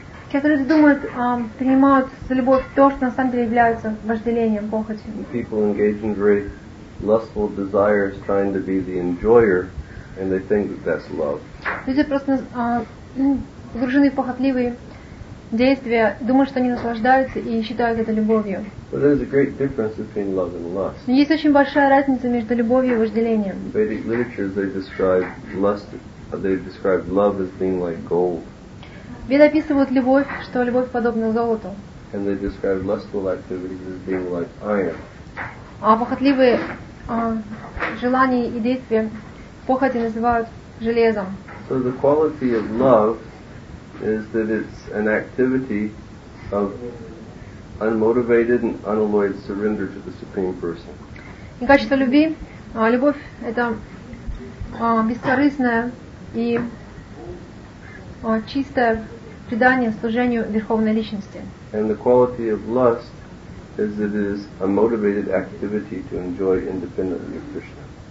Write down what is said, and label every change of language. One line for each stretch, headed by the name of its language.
Russian: Часто люди думают, принимают за любовь то, что на самом деле является вожделением, похотью.
English: People engage in very lustful desires trying to be the enjoyer, and they think that that's love.
Russian: Люди просто погружены в похотливые действия, думают, что они наслаждаются и считают это любовью.
English: But there's a great difference between love and lust.
Russian: Есть очень большая разница между любовью и вожделением.
English: In Vedic literature, they describe love as being like gold.
Russian: Веды описывают любовь, что любовь подобна золоту.
English: And they describe lustful activities as being like iron.
Russian: А похотливые желания и действия похоти называют железом.
English: So the quality of love is that it's an activity of unmotivated and unalloyed surrender to the Supreme Person.
Russian: И качество любви, любовь это бескорыстное и чистое предание служению Верховной Личности.
English: And the quality of lust is that it is a motivated activity to enjoy independently of Krishna.